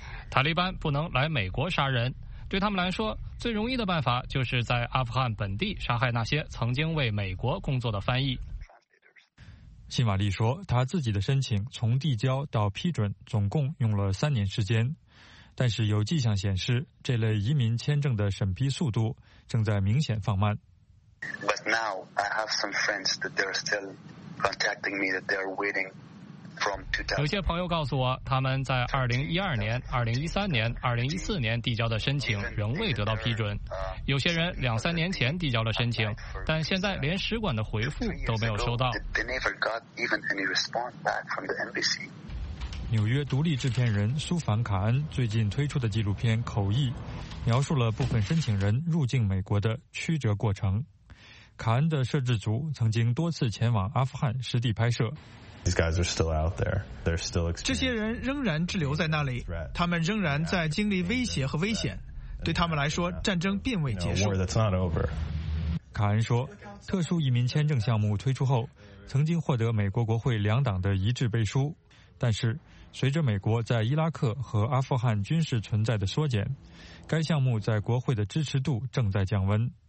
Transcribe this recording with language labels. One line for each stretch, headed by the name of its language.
Chinese: 塔利班不能来美国杀人，对他们来说最容易的办法就是在阿富汗本地杀害那些曾经为美国工作的翻译。辛瓦利说，他自己的申请从递交到批准总共用了3年时间，但是有迹象显示这类移民签证的审批速度正在明显放慢。
English: But now I have some friends that they're still contacting me that they're waiting from 2000.
Chinese: 有些朋友告诉我，他们在2012年、2013年、2014年递交的申请仍未得到批准。有些人2-3年前递交了申请，但现在连使馆的回复都没有收到。
English: They never got even any response back from the embassy.
Chinese: 纽约独立制片人苏凡·卡恩最近推出的纪录片《口译》，描述了部分申请人入境美国的曲折过程。卡恩的摄制组曾经多次前往阿富汗实地拍摄。
English: These guys are still out there. They're still experiencing.
Chinese: 这些人仍然滞留在那里，他们仍然在经历威胁和危险。对他们来说，战争并未结束。
English: No, war that's not over.
Chinese: 卡恩说，特殊移民签证项目推出后，曾经获得美国国会两党的一致背书。但是随着美国在伊拉克和阿富汗军事存在的缩减，该项目在国会的支持度正在降温。